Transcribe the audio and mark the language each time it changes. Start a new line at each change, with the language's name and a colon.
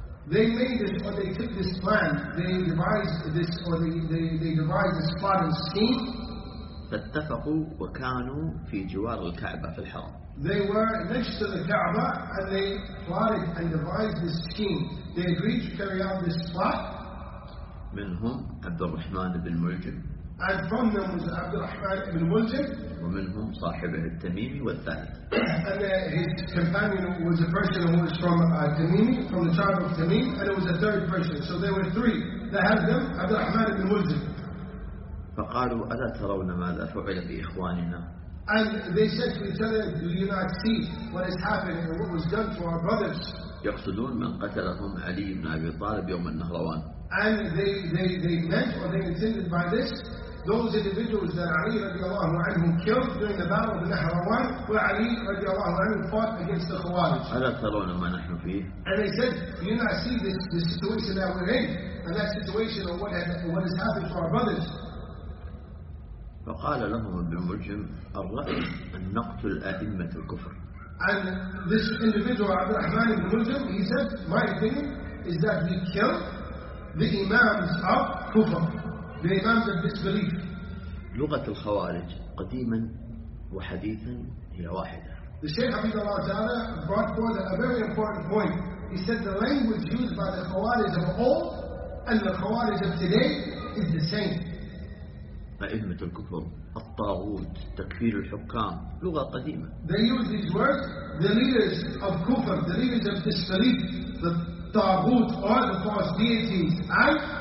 English: They made this, or they took this plan. They devised this, or they devised this plot and scheme.
Arabic: فاتفقوا وكانوا في جوار الكعبة في الحرم.
English: They were next to the Kaaba and they plotted and devised this scheme. They agreed to carry out this plot.
Arabic: منهم عبد الرحمن بن ملجم.
English: And from them was عبد الرحمن بن ملجم.
Arabic: ومنهم صاحبه التميمي والثالث.
English: And his companion was a person who was from Tamimi, from the tribe of Tamim, and it was a third person. So there were three. They had them, عبد الرحمن بن ملجم.
Arabic: فقالوا: ألا ترون ماذا فعل بإخواننا؟
English: And they said to each other, do you not see what has happened and what was done to our brothers?
Arabic: يقصدون من قتلهم علي بن أبي طالب يوم النهروان.
English: And they meant or they intended by this those individuals that Ali
Arabic: رضي الله عنه
English: killed during the battle of النهروان, where Ali رضي الله عنه fought against the Khawarij.
Arabic: ألا ترون ما نحن فيه؟
English: And they said, do you not see this situation that we're in and that situation of what has happened to our brothers?
Arabic: فقال لهم ابن ملجم: الرأي أن نقتل أئمة الكفر.
English: And this individual عبد الرحمن بن ملجم, he said, my opinion is that we kill the imams of kufr, the imams of disbelief.
Arabic: لغة الخوارج قديما وحديثا هي واحدة.
English: The Shaykh Habib Allah Ta'ala brought forth a very important point. He said the language used by the Khawarij of old and the Khawarij of today is the same.
Arabic: أئمة الكفر، الطاغوت، تكفير الحكام، لغة قديمة.
English: They use these words, the leaders of kufr, the leaders of disbelief, the طاغوت or the false deities, and